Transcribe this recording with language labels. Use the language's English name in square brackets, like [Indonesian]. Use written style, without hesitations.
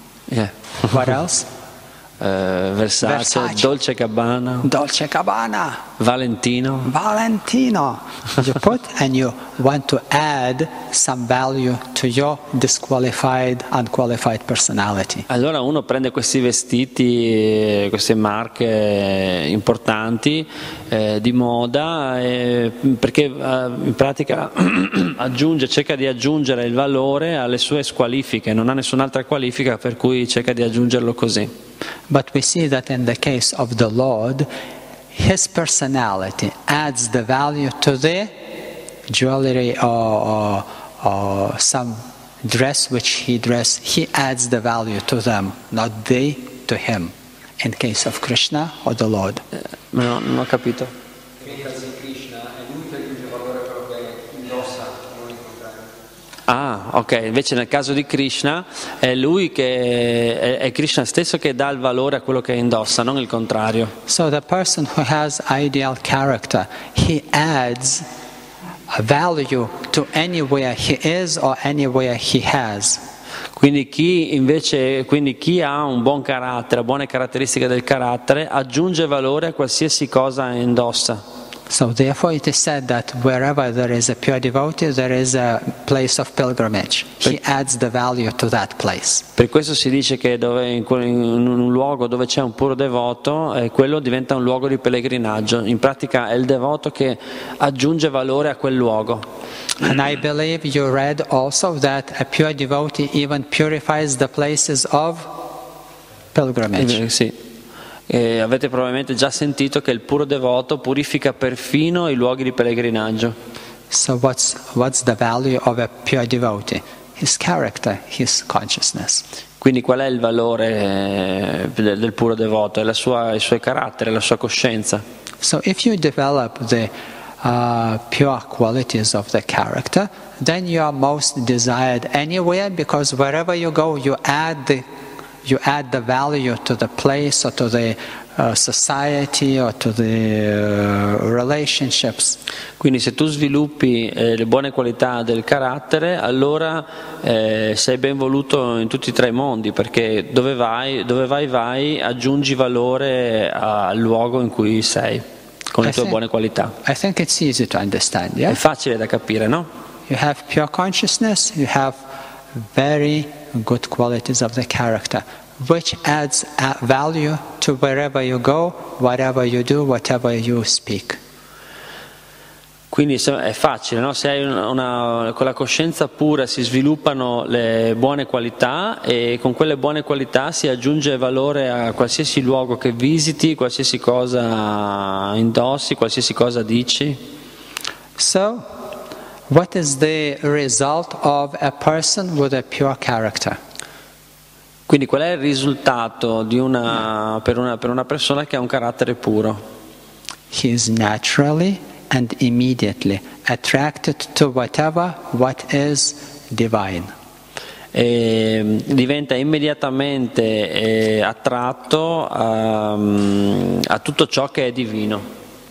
[English] Yeah. What else? Versace, Dolce Gabbana. Dolce Gabbana. Valentino. Valentino. You put and you want to add some value to your disqualified, unqualified personality. [Italian] Allora uno prende questi vestiti, queste marche importanti di moda, perché in pratica cerca di aggiungere il valore alle sue squalifiche. Non ha nessun'altra qualifica, per cui cerca di aggiungerlo così. [English] But we see that in the case of the Lord, his personality adds the value to the jewelry or some dress which he dressed. He adds the value to them, not they to him. In case of Krishna or the Lord. [Italian] Non ho capito. Ah, ok, invece nel caso di Krishna è lui che è Krishna stesso che dà il valore a quello che indossa, non il contrario. [English] So the person who has ideal character, he adds a value to anywhere he is or anywhere he has. [Italian] Quindi chi ha un buon carattere, buone caratteristiche del carattere, aggiunge valore a qualsiasi cosa indossa. [English] So therefore it is said that wherever there is a pure devotee there is a place of pilgrimage. He adds the value to that place. [Italian] Per questo si dice che in un luogo dove c'è un puro devoto, quello diventa un luogo di pellegrinaggio. In pratica è il devoto che aggiunge valore a quel luogo. [English] And I believe you read also that a pure devotee even purifies the places of pilgrimage. [Italian] Sì. E avete probabilmente già sentito che il puro devoto purifica perfino i luoghi di pellegrinaggio. [English] So what's the value of a pure devotee? His character, his consciousness. [Italian] Quindi qual è il valore del puro devoto? È il suo carattere, la sua coscienza. [English] So if you develop the pure qualities of the character, then you are most desired anywhere, because wherever you go, you add the value to the place or to the society or to the relationships. [Italian] Quindi se tu sviluppi le buone qualità del carattere, allora sei ben voluto in tutti e tre i mondi, perché dove vai aggiungi valore al luogo in cui sei con le tue buone qualità. [English] I think it's easy to understand, yeah? [Italian] È facile da capire, no? [English] You have pure consciousness, you have very good qualities of the character, which adds value to wherever you go, whatever you do, whatever you speak. [Italian] Quindi è facile, no? Se hai con la coscienza pura si sviluppano le buone qualità, e con quelle buone qualità si aggiunge valore a qualsiasi luogo che visiti, qualsiasi cosa indossi, qualsiasi cosa dici. [English] So, what is the result of a person with a pure character? [Italian] Quindi qual è il risultato di per una persona che ha un carattere puro? [English] He is naturally and immediately attracted to whatever what is divine. [Italian] E diventa immediatamente attratto a tutto ciò che è divino.